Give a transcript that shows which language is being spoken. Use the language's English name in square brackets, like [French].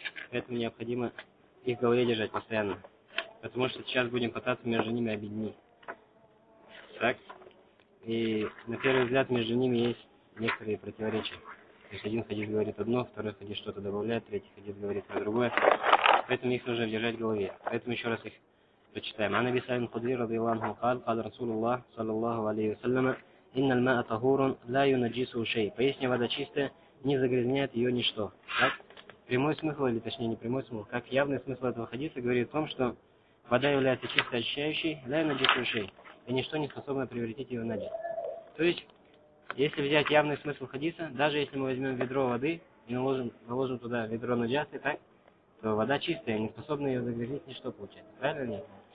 [Russian] Поэтому необходимо их в голове держать постоянно. Потому что сейчас будем пытаться между ними объединить. Так? И на первый взгляд между ними есть некоторые противоречия. То есть один хадис говорит одно, второй хадис что-то добавляет, третий хадис говорит про другое. Поэтому их нужно держать в голове. Поэтому еще раз их прочитаем. [Arabic] Ан Аби Саид аль-Худри радийаллаху анху قال: قال رسول الله صلى الله عليه وسلم: إن الماء طهور لا ينجسه شيء. [Russian] Поистине вода чистая, не загрязняет ее ничто. Так? Прямой смысл, или точнее не прямой смысл, как явный смысл этого хадиса говорит о том, что вода является чистой, очищающей, [Arabic] لا ينجسه شيء, [Russian] и ничто не способно превратить ее в наджис. То есть, если взять явный смысл хадиса, даже если мы возьмем ведро воды и наложим туда ведро наджасы, так, то вода чистая, не способна ее загрязнить ничто получается. Правильно или нет?